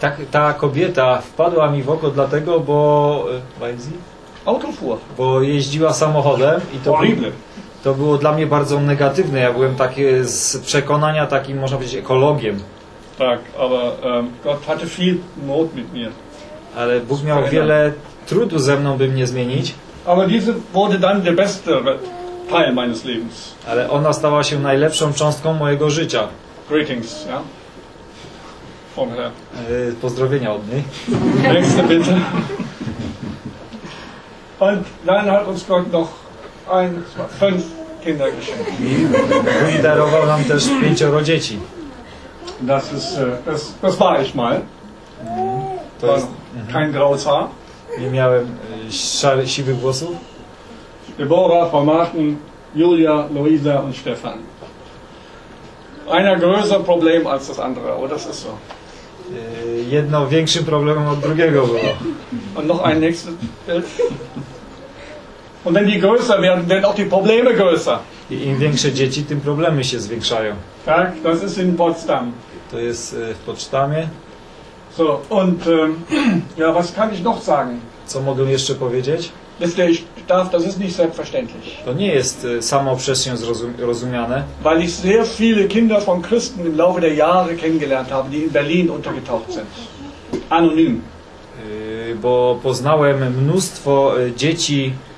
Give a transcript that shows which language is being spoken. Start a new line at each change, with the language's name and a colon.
Polish: Ta kobieta wpadła mi w oko dlatego, bo...
German: Weiß sie? Auto fuhr.
Polish: Bo jeździła samochodem i to...
English: Horrible.
Polish: To było dla mnie bardzo negatywne. Ja byłem taki z przekonania takim, można powiedzieć, ekologiem.
German: Tak, aber Gott hatte viel Not mit mir.
Polish: Ale Bóg miał wiele trudu ze mną, by mnie zmienić.
German: Aber diese wurde dann der beste Teil meines Lebens.
Polish: Ale ona stała się najlepszą cząstką mojego życia.
German: Greetings, ja? Vom Herr.
Polish: Pozdrowienia od niej.
German: Nächste bitte. Und dann hat uns Gott noch 5 Kinder geschenkt.
Polish: I darował nam też 5 dzieci.
German: Das war ich mal. To war jest, kein graues Haar.
Polish: Nie miałem siwych włosów.
German: Deborah, Frau Martin, Julia, Luisa und Stefan. Einer größer Problem als das andere, oder? Das ist so.
Polish: Jedno większym problemem od drugiego było.
German: Und noch ein nächstes Bild. Und wenn die größer werden, werden auch die Probleme größer.
Polish: I im większe dzieci, tym problemy się zwiększają.
German: Tak, das ist in Potsdam.
Polish: To jest w Potsdamie.
German: So, und ja, was kann ich noch sagen?
Polish: Co mogę jeszcze powiedzieć?
German: Das ist nicht selbstverständlich.
Polish: To nie jest samo przez się rozumiane.
German: Weil ich sehr viele Kinder von Christen im Laufe der Jahre kennengelernt habe, die in Berlin untergetaucht sind. Anonym.
Polish: Bo poznałem mnóstwo dzieci,